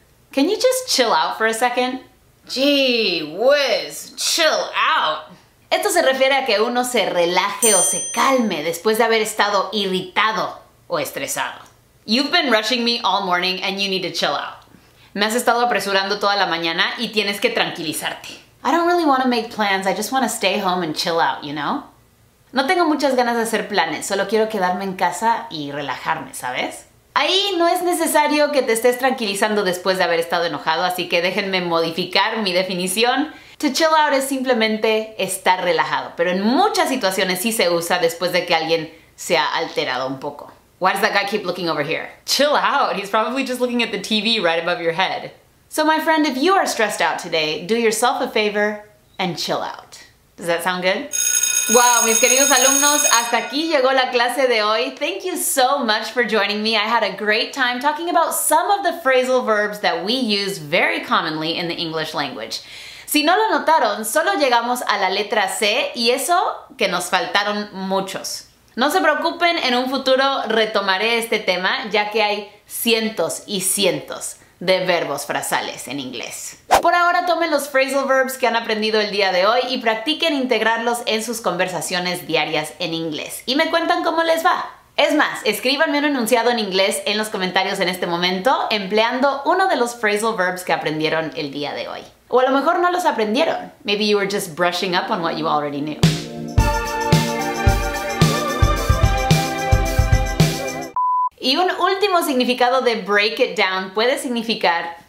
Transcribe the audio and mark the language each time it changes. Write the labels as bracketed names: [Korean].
[English] Can you just chill out for a second? Gee whiz, chill out. [Spanish] Esto se refiere a que uno se relaje o se calme después de haber estado irritado o estresado. [English] You've been rushing me all morning and you need to chill out. [Spanish] Me has estado apresurando toda la mañana y tienes que tranquilizarte. [English] I don't really want to make plans, I just want to stay home and chill out, you know? [Spanish] No tengo muchas ganas de hacer planes, solo quiero quedarme en casa y relajarme, ¿sabes? Ahí no es necesario que te estés tranquilizando después de haber estado enojado, así que déjenme modificar mi definición. To chill out es simplemente estar relajado, pero en muchas situaciones sí se usa después de que alguien se ha alterado un poco. [English] Why does that guy keep looking over here? Chill out, he's probably just looking at the TV right above your head. So my friend, if you are stressed out today, do yourself a favor and chill out. Does that sound good? [Spanish] Wow, mis queridos alumnos, hasta aquí llegó la clase de hoy. [English] Thank you so much for joining me. I had a great time talking about some of the phrasal verbs that we use very commonly in the English language. [Spanish] Si no lo notaron, solo llegamos a la letra C y eso que nos faltaron muchos. No se preocupen, en un futuro retomaré este tema ya que hay cientos y cientos de verbos frasales en inglés. Por ahora tomen los phrasal verbs que han aprendido el día de hoy y practiquen integrarlos en sus conversaciones diarias en inglés. Y me cuentan cómo les va. Es más, escríbanme un enunciado en inglés en los comentarios en este momento empleando uno de los phrasal verbs que aprendieron el día de hoy. O a lo mejor no los aprendieron. [English] Maybe you were just brushing up on what you already knew. [Spanish] Y un último significado de break it down puede significar...